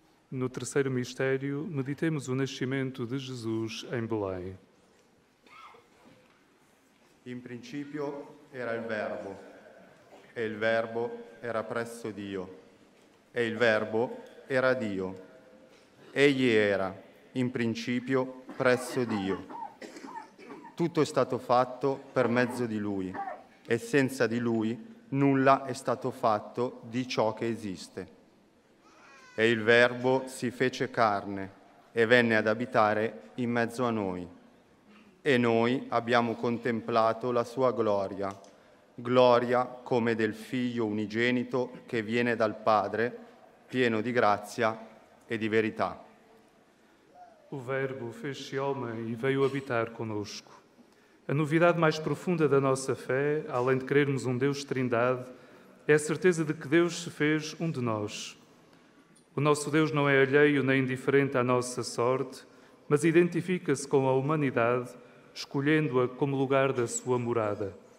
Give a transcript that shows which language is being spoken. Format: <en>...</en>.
<pt>No terceiro mistério, meditemos o nascimento de Jesus em Belém.</pt> <it>In principio era il Verbo, e il Verbo era presso Dio, e il Verbo era Dio. Egli era, in principio, presso Dio. Tutto è stato fatto per mezzo di Lui, e senza di Lui nulla è stato fatto di ciò che esiste. E il Verbo si fece carne e venne ad abitare in mezzo a noi. E noi abbiamo contemplato la sua gloria, gloria come del Figlio unigenito che viene dal Padre, pieno di grazia e di verità.</it> <pt>O Verbo fece homem e veio abitar conosco. A novidade mais profunda da nossa fé, além de crermos Deus Trindade, é a certeza de que Deus se fez de nós. O nosso Deus não é alheio nem indiferente à nossa sorte, mas identifica-se com a humanidade, escolhendo-a como lugar da sua morada.</pt>